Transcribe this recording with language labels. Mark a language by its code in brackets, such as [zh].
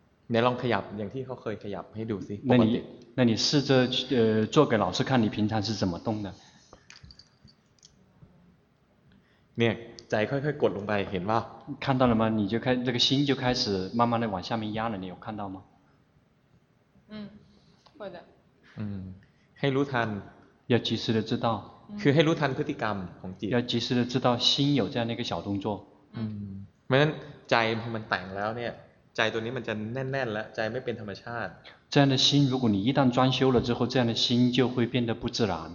[th] เนี่ยลองขยับอย่างที่เขาเคยขยับให้ดูสิ นั่นนี่ [zh] 试着做给老师看你平常是怎么动的 [th] เนี่ยใจค่อยๆกดลงไปเห็นป่ะ [zh] 看到了吗你就开这个心就开始慢慢的往下面压了你有看到吗会的 [th] ให้รู้ทัน [zh] 要及时的知道 [th] คือให้รู้ทันพฤติกรรมของจิต [zh] 要及时的知道心有这样的一个小动作 [th] เพราะฉะนั้นใจมันแต่งแล้วเนี่ยใจตัวนี้มันจะแน่นๆแล้วใจไม่เป็นธรรมชาติ [zh] 这样的心如果你一旦装修了之后这样的心就会变得不自然